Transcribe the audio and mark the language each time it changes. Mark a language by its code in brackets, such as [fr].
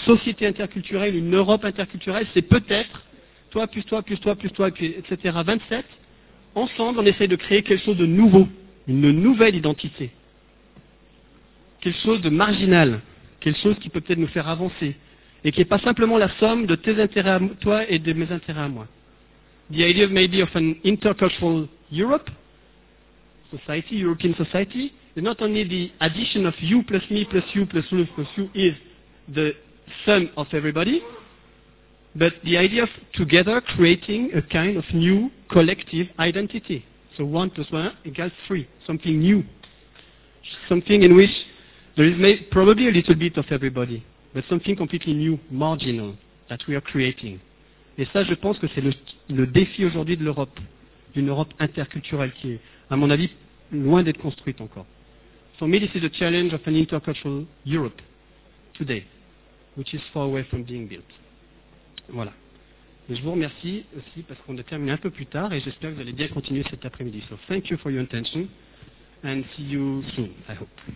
[fr] Une société interculturelle, une Europe interculturelle, c'est peut-être toi plus toi plus toi plus toi, etc. 27. Ensemble, on essaye de créer quelque chose de nouveau, une nouvelle identité. Quelque chose de marginal, quelque chose qui peut peut-être nous faire avancer. Et qui n'est pas simplement la somme de tes intérêts à toi et de mes intérêts à moi. [en] The idea of maybe of an intercultural Europe, society, European society, is not only the addition of you plus me plus you plus you plus you is the sum of everybody, but the idea of together creating a kind of new collective identity. So 1 plus 1 equals 3, something new. Something in which there is probably a little bit of everybody, but something completely new, marginal, that we are creating. [fr] Et ça, je pense que c'est le défi aujourd'hui de l'Europe, d'une Europe interculturelle qui est, à mon avis, loin d'être construite encore. [en] For me, this is the challenge of an intercultural Europe today, which is far away from being built. [fr] Voilà. Et je vous remercie aussi parce qu'on a terminé un peu plus tard et j'espère que vous allez bien continuer cet après-midi. [en] So thank you for your attention and see you soon, I hope.